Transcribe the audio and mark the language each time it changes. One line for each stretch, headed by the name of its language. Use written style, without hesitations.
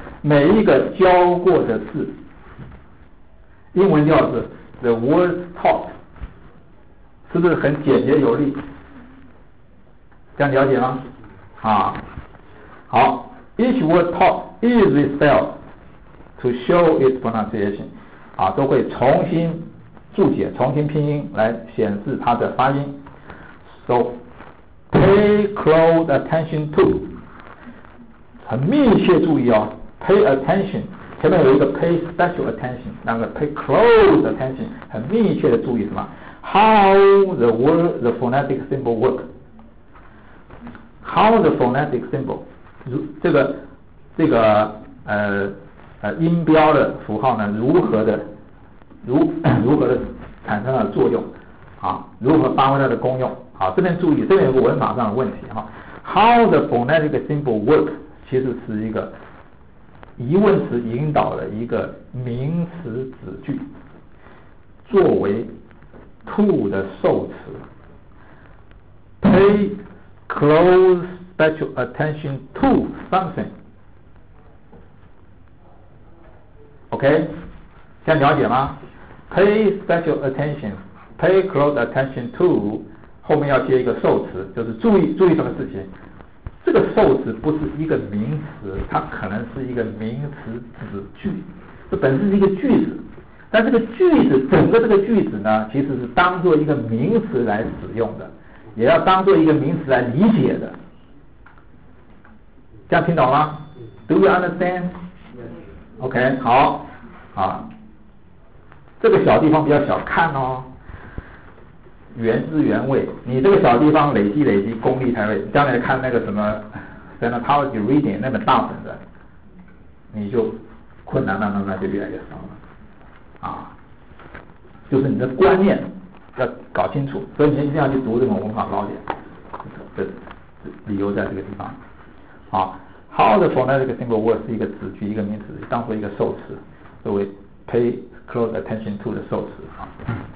Chinese: 每一个教过的字，英文叫是
English: the words taught，
Chinese: 是不是很简洁有力？这样了解吗？啊，好 ，
English: each word taught is spelled to show its pronunciation，
Chinese: 啊，都会重新注解、重新拼音来显示它的发音。
English: So pay close attention to，
Chinese: 很密切注意哦。
English: Pay attention，
Chinese: 前面有一个
English: pay special attention， 那个 pay close attention，
Chinese: 很密切的注意什么
English: ？How the word the phonetic symbol work？
Chinese: How the phonetic symbol， 这个音标的符号呢，如何的产生了作用？啊，如何发挥它的功用？好，这边注意，这边有个文法上的问题哈。
English: How the phonetic symbol work，
Chinese: 其实是一个。疑问词引导了一个名词子句，作为 to 的受词 ，
English: pay close special attention to something。
Chinese: OK， 现在了解吗 ？
English: Pay special attention， pay close attention to，
Chinese: 后面要接一个受词，就是注意什么事情。这个受词不是一个名词，它可能是一个名词子句，这本身是一个句子，但这个句子整个这个句子呢，其实是当作一个名词来使用的，也要当作一个名词来理解的。这样听懂吗 ？
English: Do you understand?
Chinese: OK， 好，啊，这个小地方比较小，看哦。原汁原味，你这个小地方累积功力才会，将来看那个什么 phonology reading 那本大本的，你就困难慢慢就越来越少了，啊，就是你的观念要搞清楚，所以你一定要去读这种文法老典，这理由在这个地方，啊 ，
English: how the phonetic symbol word
Chinese: 是一个子句，一个名词，当作一个受词，作为
English: pay close attention to
Chinese: 的受词，啊。